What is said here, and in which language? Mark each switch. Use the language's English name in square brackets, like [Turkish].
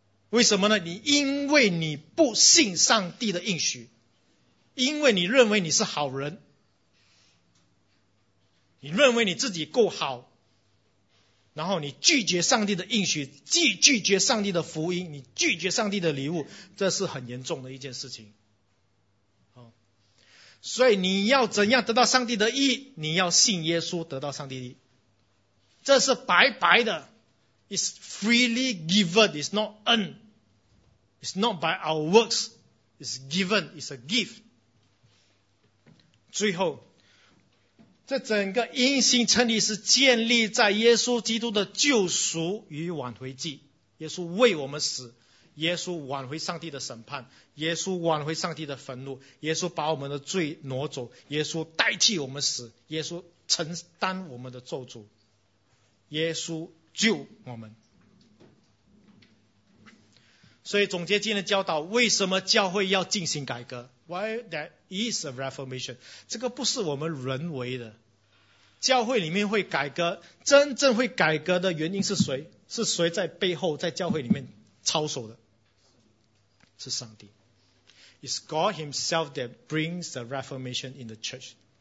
[Chinese] 为什么呢？你因为你不信上帝的应许，因为你认为你是好人，你认为你自己够好，然后你拒绝上帝的应许，拒绝上帝的福音，你拒绝上帝的礼物，这是很严重的一件事情。所以你要怎样得到上帝的义？你要信耶稣得到上帝的义，这是白白的。 [English] It's freely given, it's not earned, it's not by our works, it's given, it's a gift. [Chinese] 最后，这整个因信称义是建立在耶稣基督的救赎与挽回祭。耶稣为我们死，耶稣挽回上帝的审判，耶稣挽回上帝的愤怒，耶稣把我们的罪挪走，耶稣代替我们死，耶稣承担我们的咒诅，耶稣救我们。所以总结今天的教导，为什么教会要进行改革？ [English] Why that is a reformation? [Chinese] 这个不是我们人为的。教会里面会改革，真正会改革的原因是谁？是谁在背后在教会里面操守的？是上帝。 [English] It's God himself that brings the reformation in the church.